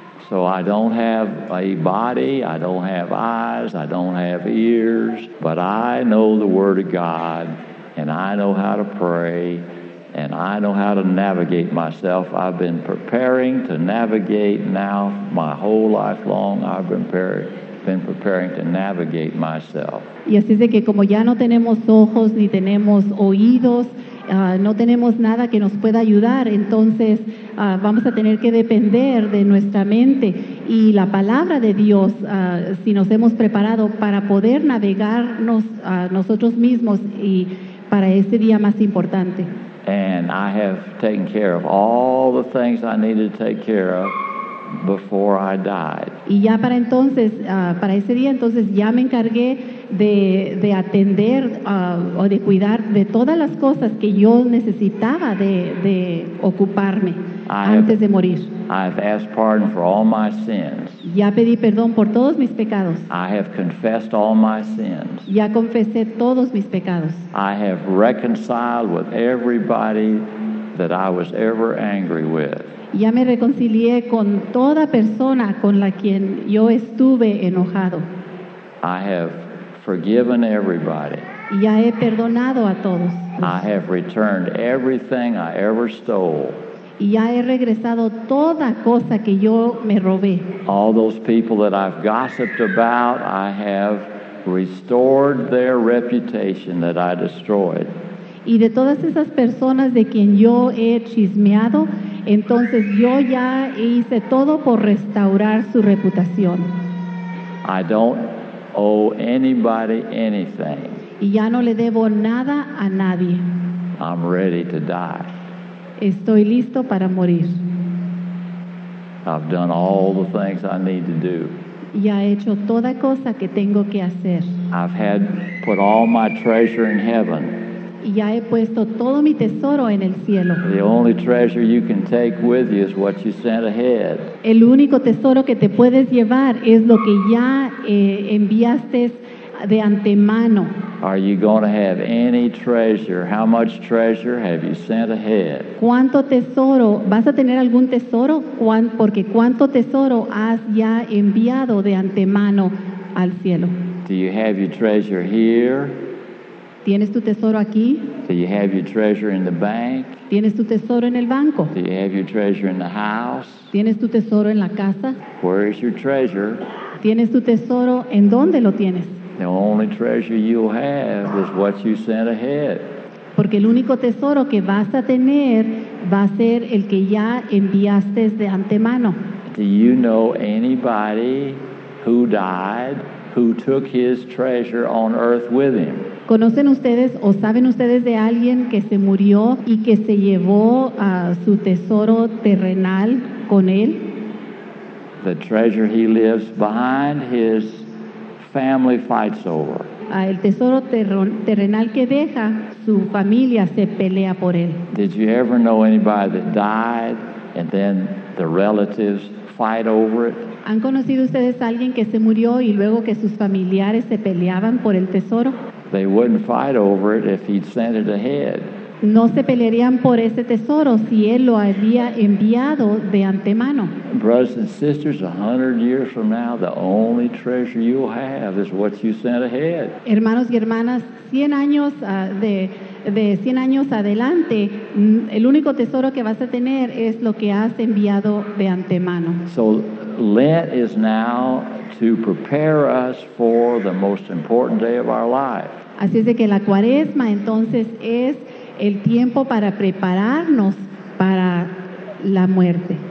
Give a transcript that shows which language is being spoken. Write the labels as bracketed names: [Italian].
[English] So I don't have a body, I don't have eyes, I don't have ears, but I know the Word of God, and I know how to pray, and I know how to navigate myself. I've been preparing to navigate now my whole life long. I've been preparing to navigate myself. [Spanish] Y así es de que como ya no tenemos ojos ni tenemos oídos, no tenemos nada que nos pueda ayudar, entonces vamos a tener que depender de nuestra mente y la palabra de Dios, si nos hemos preparado para poder navegarnos a nosotros mismos y para ese día más importante. [English] And I have taken care of all the things I needed to take care of before I died. [Spanish] Y ya para entonces, para ese día, entonces ya me encargué de atender o de cuidar de todas las cosas que yo necesitaba de ocuparme antes de morir. [English] I've asked pardon for all my sins. [Spanish] Ya pedí perdón por todos mis pecados. [English] I have confessed all my sins. [Spanish] Ya confesé todos mis pecados. [English] I have reconciled with everybody that I was ever angry with. [Spanish] Ya me reconcilié con toda persona con la quien yo estuve enojado. [English] I have forgiven everybody. [Spanish] Ya he perdonado a todos. [English] I have returned everything I ever stole. [Spanish] Ya he regresado toda cosa que yo me robé. [English] All those people that I've gossiped about, I have restored their reputation that I destroyed. [Spanish] Y de todas esas personas de quien yo he chismeado, entonces yo ya hice todo por restaurar su reputación. [English] I don't owe anybody anything. [Spanish] Y ya no le debo nada a nadie. [English] I'm ready to die. [Spanish] Estoy listo para morir. [English] I've done all the things I need to do. [Spanish] Ya he hecho toda cosa que tengo que hacer. [English] I've had put all my treasure in heaven. [Spanish] Ya he puesto todo mi tesoro en el cielo. [English] The only treasure you can take with you is what you sent ahead. [Spanish] El único tesoro que te puedes llevar es lo que ya enviaste de antemano. [English] Are you going to have any treasure? How much treasure have you sent ahead? [Spanish] ¿Cuánto tesoro vas a tener, algún tesoro? Porque ¿cuánto tesoro has ya enviado de antemano al cielo? [English] Do you have your treasure here? [Spanish] ¿Tienes tu tesoro aquí? [English] Do you have your treasure in the bank? [Spanish] ¿Tienes tu tesoro en el banco? [English] Do you have your treasure in the house? [Spanish] ¿Tienes tu tesoro en la casa? [English] Where is your treasure? [Spanish] ¿Tienes tu tesoro en dónde lo tienes? [English] The only treasure you'll have is what you sent ahead. [Spanish] Porque el único tesoro que vas a tener va a ser el que ya enviaste de antemano. [English] Do you know anybody who died who took his treasure on earth with him? [Spanish] ¿Conocen ustedes o saben ustedes de alguien que se murió y que se llevó a su tesoro terrenal con él? [English] The treasure he lives behind his family fights over. [Spanish] El tesoro terrenal que deja, su familia se pelea por él. [English] Did you ever know anybody that died and then the relatives fight over it? [Spanish] ¿Han conocido ustedes a alguien que se murió y luego que sus familiares se peleaban por el tesoro? [English] They wouldn't fight over it if he'd sent it ahead. [Spanish] No se pelearían por ese tesoro si él lo había enviado de antemano. [English] Brothers and sisters, 100 years from now, the only treasure you'll have is what you sent ahead. [Spanish] Hermanos y hermanas, 100 años de 100 años adelante, el único tesoro que vas a tener es lo que has enviado de antemano. [English] So Lent is now to prepare us for the most important day of our life. [Spanish] Así es de que la cuaresma entonces es el tiempo para prepararnos para la muerte.